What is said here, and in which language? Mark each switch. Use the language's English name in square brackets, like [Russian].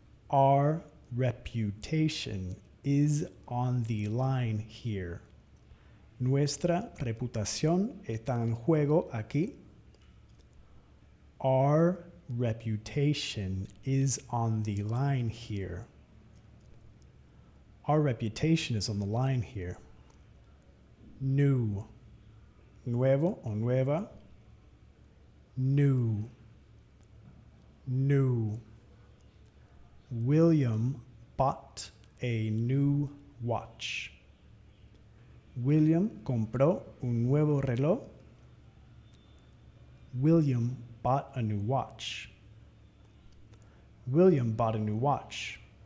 [English] Our reputation is on the line here. [Spanish] Nuestra reputación está en juego aquí. [English] Our reputation is on the line here. Our reputation is on the line here. New. [Spanish] Nuevo o nueva. [English] New. New. William bought a new watch. [Spanish] William compró un nuevo reloj. [English] William bought a new watch. William bought a new watch.